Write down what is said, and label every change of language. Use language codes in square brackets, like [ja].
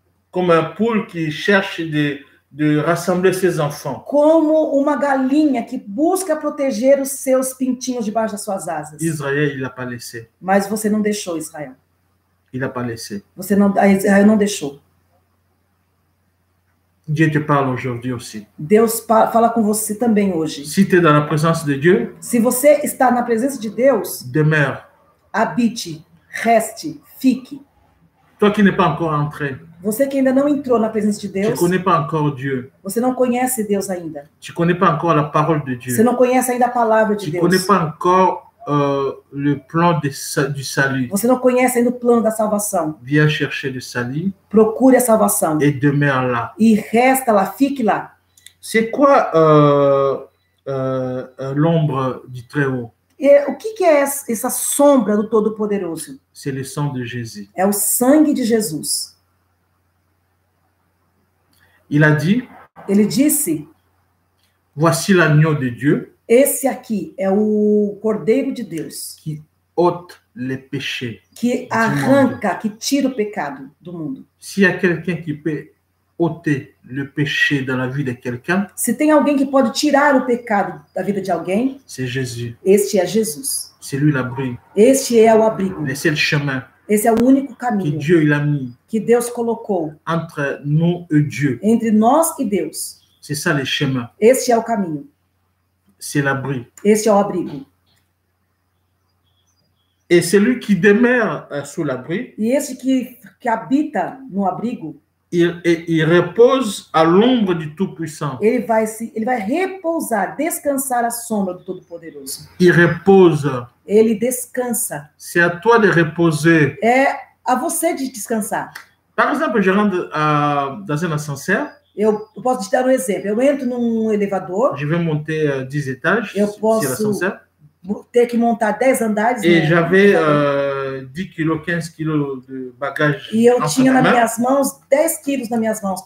[pt] Como um [fr] poule que cherche de rassembler ses enfants. [pt] Como uma galinha que busca proteger os seus pintinhos debaixo das suas asas. [fr] Israel, il a pas laissé. [pt] Mas você não deixou, Israel. [fr] Il a pas laissé. [pt] Você não, Israel não deixou. [fr] Dieu te parle aujourd'hui aussi. [pt] Deus fala com você também hoje. [fr] Si tu es dans la présence de Dieu, [pt] se você está na presença de Deus, [fr] demeure. [pt] Habite, reste, fique. [fr] Toi qui n'es pas encore entré, [pt] você que ainda não entrou na presença de Deus, [fr] tu connais pas encore Dieu, [pt] você não conhece Deus ainda. [fr] Tu connais pas encore la parole de Dieu, [pt] você não conhece ainda a palavra de [fr] tu [pt] Deus. [fr] Tu connais pas encore le plan du salut. [pt] Você não conhece ainda o plano da salvação. [fr] Viens chercher le salut. [pt] Procure a salvação. [fr] Et demeure là. [pt] E resta lá, fique lá. [fr] C'est quoi l'ombre du Très-Haut? [pt] O que que é essa sombra do Todo-Poderoso? [fr] C'est le sang de Jésus. [pt] É o sangue de Jesus. [fr] Il a dit. [pt] Ele disse. [fr] Voici l'agneau de Dieu. [pt] Esse aqui é o Cordeiro de Deus. [fr] Que ôte le péché. [pt] Que arranca, que tira o pecado do mundo. Se há [fr] quelqu'un qui peut ôter le péché dans la vie de quelqu'un. [pt] Se tem alguém que pode tirar o pecado da vida de alguém. [fr] C'est Jésus. [pt] Este é Jesus. [fr] C'est lui l'abri. [pt] Este é o abrigo. Esse é o chemin. Esse é o único caminho. [fr] Que Dieu il a mis. [pt] Que Deus colocou. [fr] Entre nous et Dieu. [pt] Entre nós e Deus. [fr] C'est ça le chemin. [pt] Este é o caminho. [fr] C'est l'abri. [pt] Esse é o abrigo. [fr] Et celui qui demeure sous l'abri. [pt] E esse que habita no abrigo. [fr] Il repose à l'ombre du Tout-Puissant. [pt] Ele vai repousar, descansar à sombra do Todo-Poderoso. [fr] Il repose. [pt] Ele descansa. [fr] C'est à toi de reposer. [pt] É a você de descansar. [fr] Par exemple, je rentre dans un ascenseur. [pt] Eu posso te dar um exemplo. Eu entro num elevador. [fr] Je vais monter 10 étages. [pt] Eu posso ter que montar 10 andares. [fr] Et j'avais 10 kilos, 15 kilos de bagagem. [pt] E eu tinha nas minhas mãos 10 quilos nas minhas mãos.